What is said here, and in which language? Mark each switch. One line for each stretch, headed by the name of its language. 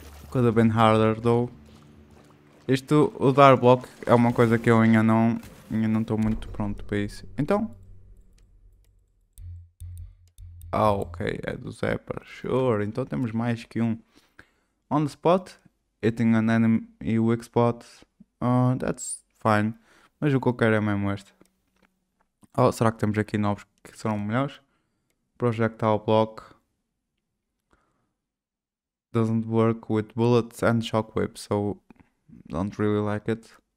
English: Could have been harder though.
Portuguese: Isto, o dark block, é uma coisa que eu ainda não estou muito pronto para isso. Então. Ah, ok, é do Zapper, sure, então temos mais que um.
English: On the spot, hitting an enemy weak spot, that's fine.
Portuguese: Mas o que eu quero é mesmo este. Oh, será que temos aqui novos que serão melhores?
English: Projectile block. Doesn't work with bullets and shockwave, so don't really like it.